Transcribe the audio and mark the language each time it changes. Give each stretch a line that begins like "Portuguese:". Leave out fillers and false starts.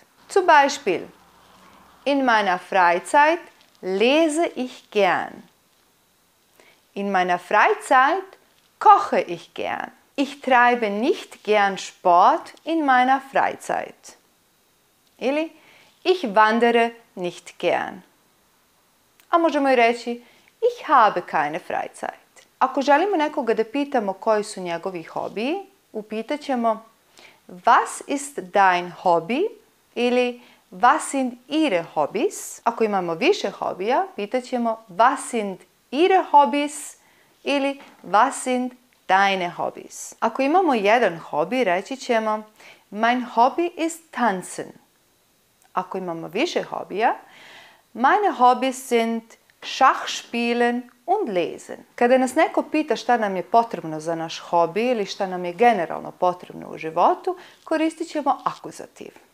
German: Zum Beispiel: In meiner Freizeit lese ich gern. In meiner Freizeit koche ich gern. Ich treibe nicht gern Sport in meiner Freizeit.
Bosnian: Ili
German: Ich wandere nicht gern.
Bosnian: A možemo i reći:
German: Ich habe keine Freizeit.
Bosnian: Ako želimo nekoga da pitamo koji su njegovi hobiji, upitat ćemo:
German: Was ist dein Hobby? Ili Was sind Ihre Hobbys?
Bosnian: Ako imamo više hobija, pitat ćemo:
German: Was sind Ihre Hobbys?
Bosnian: Ili
German: Was sind deine Hobbys?
Bosnian: Ako imamo jedan hobi, reći ćemo:
German: Mein Hobby ist Tanzen.
Bosnian: Ako imamo više hobija:
German: Meine Hobbys sind Schach spielen und lesen.
Bosnian: Kada nas neko pita šta nam je potrebno za naš hobi ili šta nam je generalno potrebno u životu, koristit ćemo akuzativ.